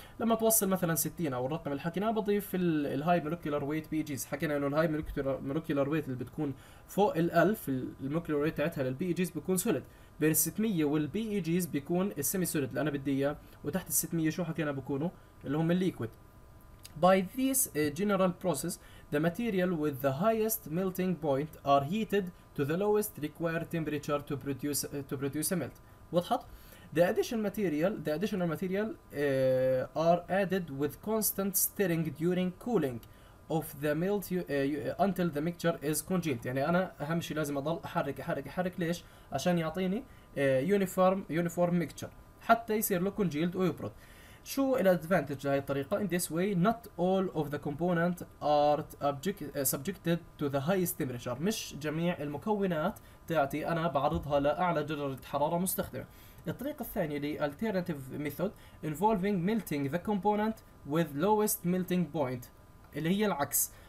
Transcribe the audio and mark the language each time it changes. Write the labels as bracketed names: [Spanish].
[Arabic] لما توصل مثلا 60 او الرقم اللي حكيناه بضيف الهاي مولكيولار ويت بي جيز، حكينا انه الهاي مولكيولار ويت اللي بتكون فوق ال 1000 المولكيولار ويت تاعتها للبي جيز بيكون سوليد، بين ال 600 والبي اي جيز بيكون السيمي سوليد اللي انا بدي اياه، وتحت ال 600 شو حكينا بكونوا اللي هم الليكويد. [English] By this general process the material with the highest melting point are heated to the lowest required temperature to produce a melt. [Arabic] وضحت؟ [English] The additional material are added with constant stirring during cooling of the melt until the mixture is congealed. [Arabic] يعني انا اهم شيء لازم اضل احرك احرك احرك، ليش؟ عشان يعطيني [English] uniform mixture [Arabic] حتى يصير له congealed ويبرد. شو الادفانتج لهي الطريقه؟ [English] In this way not all of the component are subjected to the highest temperature. [Arabic] مش جميع المكونات تاعتي انا بعرضها لاعلى درجه حراره مستخدمه. الطريقه الثانيه اللي [English] alternative method involving melting the component with lowest melting point، [Arabic] اللي هي العكس.